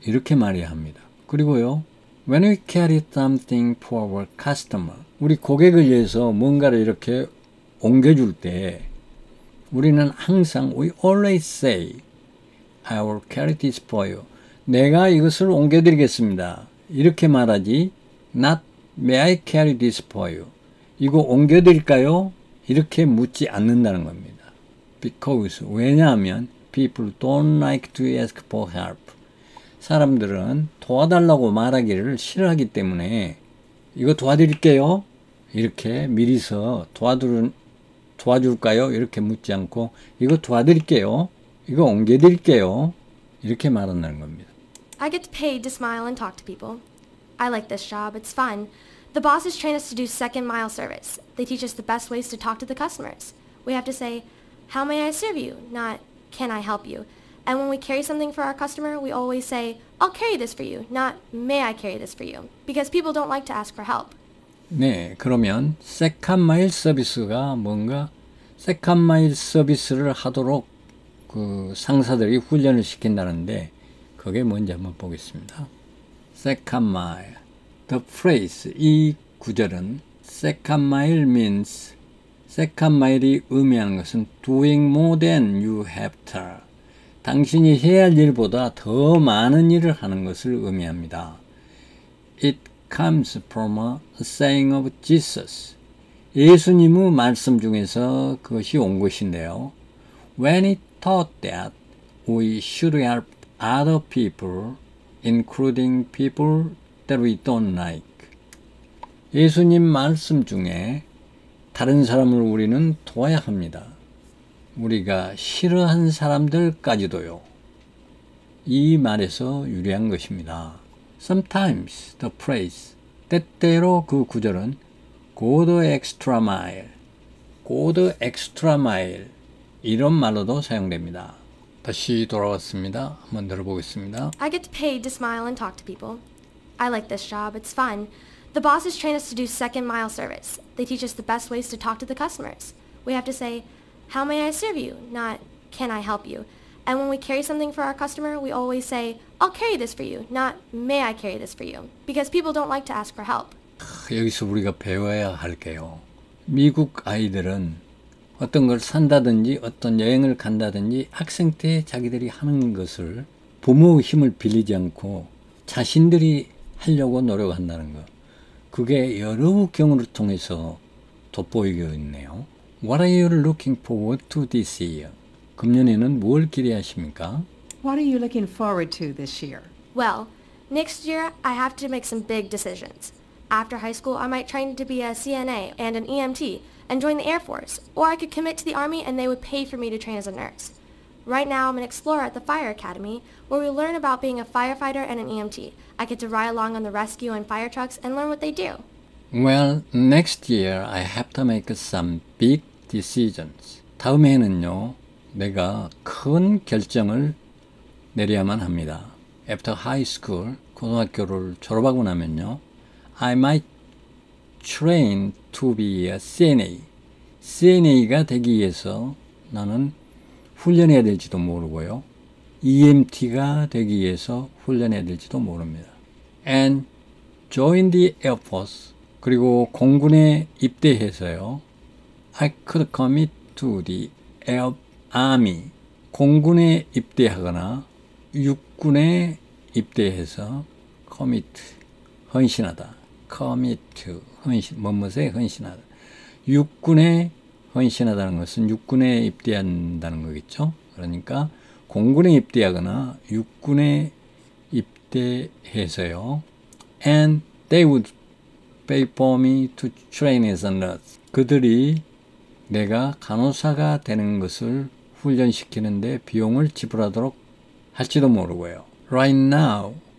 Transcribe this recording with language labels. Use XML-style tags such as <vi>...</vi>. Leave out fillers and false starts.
<ko>이렇게 말해야 합니다. 그리고요,</ko> <en>When we carry something for our customer,</en> <ko>우리 고객을 위해서 뭔가를 이렇게 옮겨줄 때 우리는 항상</ko> <en>We always say, I will carry this for you.</en> <ko>내가 이것을 옮겨드리겠습니다. 이렇게 말하지</ko> <en>Not may I carry this for you.</en> <ko>이거 옮겨드릴까요? 이렇게 묻지 않는다는 겁니다.</ko> <en>Because,</en> <ko>왜냐하면</ko> <en>People don't like to ask for help.</en> <ko>사람들은 도와달라고 말하기를 싫어하기 때문에 이거 도와드릴게요? 이렇게 미리서 도와줄까요? 이렇게 묻지 않고 이거 도와드릴게요? 이거 옮겨드릴게요? 이렇게 말한다는 겁니다.</ko> <en>I get paid to smile and talk to people. I like this job. It's fun. The bosses train us to do second mile service. They teach us the best ways to talk to the customers. We have to say, How may I serve you? Not, Can I help you? And when we carry something for our customer, we always say, I'll carry this for you. Not, May I carry this for you? Because people don't like to ask for help.</en> <ko>네, 그러면 second mile service가 뭔가 second mile service를 하도록 그 상사들이 훈련을 시킨다는데 그게 뭔지 한번 보겠습니다.</ko> <en>Second mile. The phrase,</en> <ko>이 구절은</ko> <en>second mile means, second mile이</en> <ko>의미하는 것은</ko> <en>doing more than you have to.</en> <ko>당신이 해야 할 일보다 더 많은 일을 하는 것을 의미합니다.</ko> <en>It comes from a saying of Jesus.</en> <ko>예수님의 말씀 중에서 그것이 온 것인데요.</ko> <en>When he taught that we should help other people, including people that we don't like.</en> <ko>예수님 말씀 중에 다른 사람을 우리는 도와야 합니다. 우리가 싫어한 사람들까지도요. 이 말에서 유래한 것입니다.</ko> <en>Sometimes the phrase,</en> <ko>때때로 그 구절은</ko> <en>go the extra mile, go the extra mile</en> <ko>이런 말로도 사용됩니다. 다시 돌아왔습니다. 한번 들어보겠습니다.</ko> <en>I get paid to smile and talk to people. I like this job. It's fun. The bosses train us to do second mile service. They teach us the best ways to talk to the customers. We have to say, How may I serve you? Not, Can I help you? And when we carry something for our customer, we always say, I'll carry this for you. Not, May I carry this for you? Because people don't like to ask for help.</en> <ko>여기서 우리가 배워야 할 게요. 미국 아이들은 어떤 걸 산다든지 어떤 여행을 간다든지 학생 때 자기들이 하는 것을 부모의 힘을 빌리지 않고 자신들이 하려고 노력한다는 것. 그게 여러 경우를 통해서 돋보이고 있네요.</ko> <en>What are you looking forward to this year?</en> <ko>금년에는 뭘 기대하십니까?</ko> <en>What are you looking forward to this year? Well, next year I have to make some big decisions. After high school, I might train to be a CNA and an EMT and join the Air Force. Or I could commit to the Army and they would pay for me to train as a nurse. Right now, I'm an explorer at the Fire Academy, where we learn about being a firefighter and an EMT. I get to ride along on the rescue and fire trucks and learn what they do. Well, next year, I have to make some big decisions.</en> <ko>다음해는요, 내가 큰 결정을 내려야만 합니다.</ko> <en>After high school,</en> <ko>고등학교를 졸업하고 나면요,</ko> <en>I might train to be a CNA.</en> <ko>CNA가 되기 위해서 나는 훈련해야 될지도 모르고요. EMT가 되기 위해서 훈련해야 될지도 모릅니다.</ko> <en>And join the Air Force.</en> <ko>그리고 공군에 입대해서요. I could commit to the Air Army. 공군에 입대하거나 육군에 입대해서 commit, 헌신하다. commit to, 헌신, 뭐뭐에 헌신하다. 육군에 헌신하다는 것은 육군에 입대한다는 거겠죠? 그러니까 공군에 입대하거나 육군에 입대해서요.</ko> <en>And they would pay for me to train as a nurse.</en> <ko>그들이 내가 간호사가 되는 것을 훈련시키는데 비용을 지불하도록 할지도 모르고요.</ko> <en>Right now,</en>